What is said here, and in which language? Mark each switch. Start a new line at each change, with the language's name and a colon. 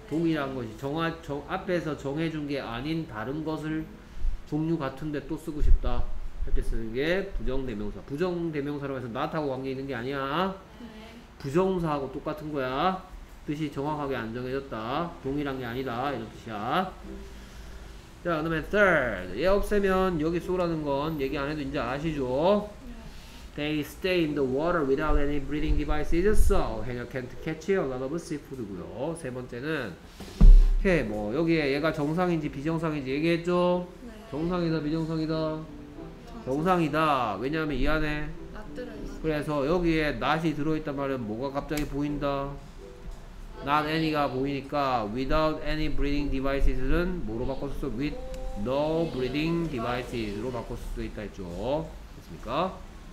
Korean: 동일한 것이 앞에서 정해준 게 아닌 다른 것을 종류 같은데 또 쓰고 싶다 할 때 쓰는 게 부정대명사. 부정대명사라고 해서 not하고 관계 있는 게 아니야. 부정사하고 똑같은 거야. 뜻이 정확하게 안 정해졌다. 동일한 게 아니다 이런 뜻이야. 자, 그 다음에 third. 얘 없애면 여기 쏘라는 건 얘기 안 해도 이제 아시죠?
English: They stay in the water without any breathing devices, so 해녀 can't catch a lot of seafood고요.
Korean: 세 번째는 오케이, 뭐 여기에 얘가 정상인지 비정상인지 얘기했죠? 네. 정상이다, 비정상이다? 정상이다. 왜냐하면 이 안에 그래서 여기에 not이 들어있단 말은 뭐가 갑자기 보인다? not any가 보이니까 without any breathing devices는 뭐로 바꿨을 수도
English: with no breathing devices
Korean: 로 바꿨을 수도 있다 했죠. 됐습니까?